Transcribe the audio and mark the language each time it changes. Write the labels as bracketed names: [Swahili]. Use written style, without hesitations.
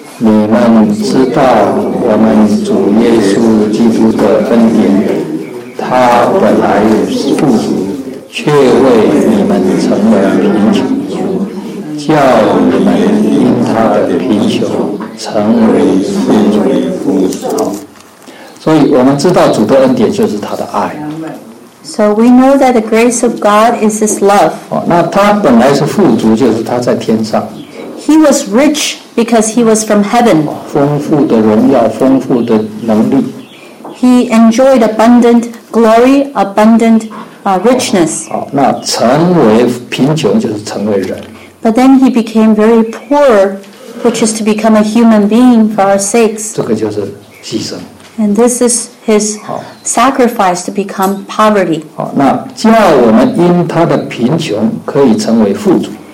[Chinese] 你们知道我们主耶稣基督的恩典，他本来富足，却为你们成了贫穷，叫你们因他的贫穷成为富足。所以我们知道主的恩典就是他的爱。 [English] So we know that the grace of God is His love. [Chinese] 那他本来是富足，就是他在天上。 [English] He was rich because he was from heaven. [Chinese] 丰富的荣耀，丰富的能力。 [English] He enjoyed abundant glory, abundant richness. [Chinese] 那成为贫穷就是成为人。 [English] But then he became very poor, which is to become a human being for our sakes. [Chinese] 这个就是牺牲。 [English] And this is his sacrifice to become poverty. [Chinese] 那叫我们因他的贫穷可以成为富足。